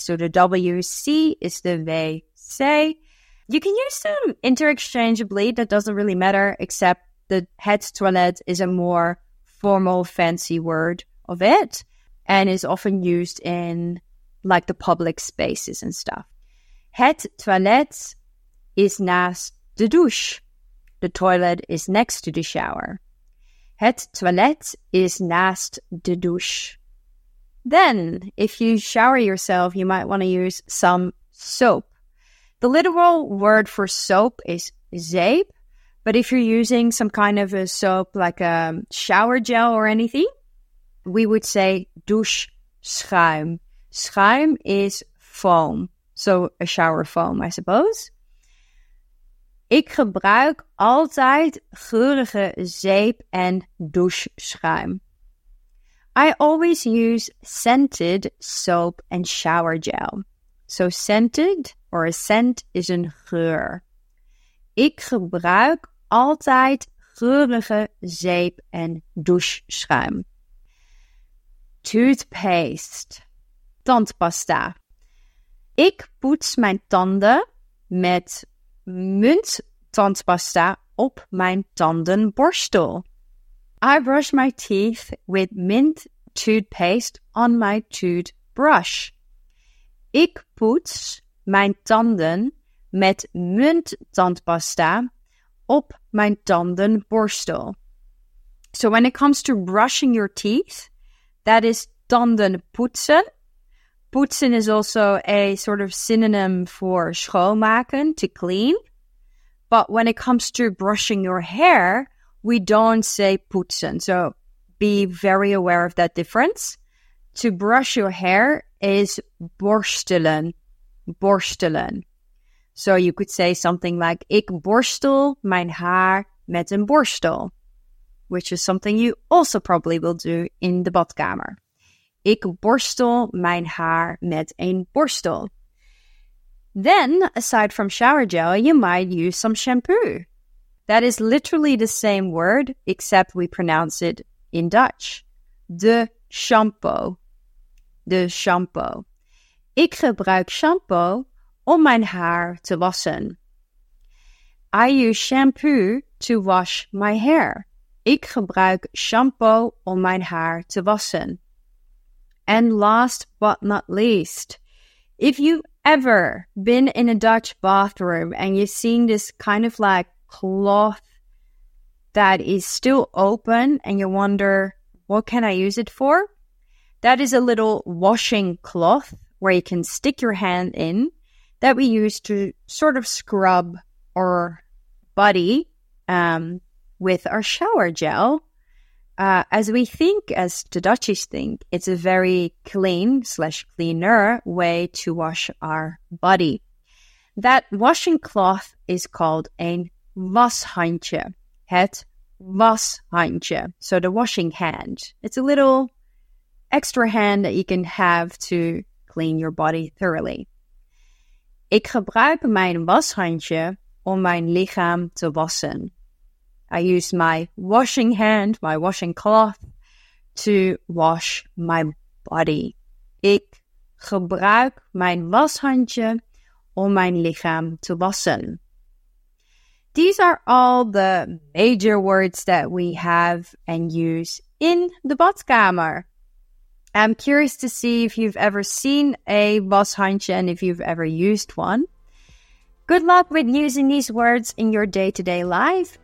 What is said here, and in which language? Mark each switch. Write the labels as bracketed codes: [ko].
[en] So the wc is the wc. You can use them interchangeably, that doesn't really matter, except the het toilet is a more formal, fancy word of it and is often used in like the public spaces and stuff. [nl] Het toilet is naast de douche. [en] The toilet is next to the shower. [nl] Het toilet is naast de douche. [en] Then, if you shower yourself, you might want to use some soap. The literal word for soap is zeep, but if you're using some kind of a soap, like a shower gel or anything, we would say douche schuim. Schuim is foam. So a shower foam, I suppose. [nl] Ik gebruik altijd geurige zeep en doucheschuim. [en] I always use scented soap and shower gel. So scented or a scent is een geur. [nl] Ik gebruik altijd geurige zeep en doucheschuim. Toothpaste. Tandpasta. Ik poets mijn tanden met munttandpasta op mijn tandenborstel. [en] I brush my teeth with mint toothpaste on my toothbrush. [nl] Ik poets mijn tanden met munttandpasta op mijn tandenborstel. [en] So when it comes to brushing your teeth, that is tandenpoetsen. Poetsen is also a sort of synonym for schoonmaken, to clean. But when it comes to brushing your hair, we don't say poetsen. So be very aware of that difference. To brush your hair is borstelen. [nl] Borstelen. [en] So you could say something like, [nl] ik borstel mijn haar met een borstel. [en] Which is something you also probably will do in the badkamer. [nl] Ik borstel mijn haar met een borstel. [en] Then, aside from shower gel, you might use some shampoo. That is literally the same word, except we pronounce it in Dutch. [nl] De shampoo. De shampoo. Ik gebruik shampoo om mijn haar te wassen. [en] I use shampoo to wash my hair. [nl] Ik gebruik shampoo om mijn haar te wassen. [en] And last but not least, if you've ever been in a Dutch bathroom and you've seen this kind of like cloth that is still open and you wonder, what can I use it for? That is a little washing cloth where you can stick your hand in that we use to sort of scrub our body with our shower gel. As we think, as the Dutchies think, it's a very clean / cleaner way to wash our body. That washing cloth is called a washandje. Het washandje. So the washing hand. It's a little extra hand that you can have to clean your body thoroughly. [nl] Ik gebruik mijn washandje om mijn lichaam te wassen. [en] I use my washing hand, my washing cloth, to wash my body. [nl] Ik gebruik mijn washandje om mijn lichaam te wassen. [en] These are all the major words that we have and use in the badkamer. I'm curious to see if you've ever seen a washandje and if you've ever used one. Good luck with using these words in your day-to-day life.